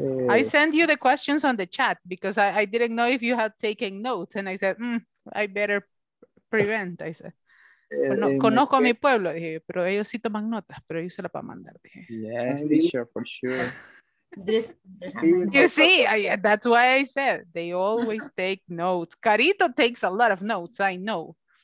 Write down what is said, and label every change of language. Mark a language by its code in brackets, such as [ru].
[en] I sent you the questions on the chat because I didn't know if you had taken notes. And I said, I better prevent, I said. [es] Conozco a mi pueblo, dije, pero ellos sí toman notas, pero yo se la puedo mandar. Dije. [en] Yes, teacher, for sure. You see, that's why I said they always take notes. Carito takes a lot of notes, I know.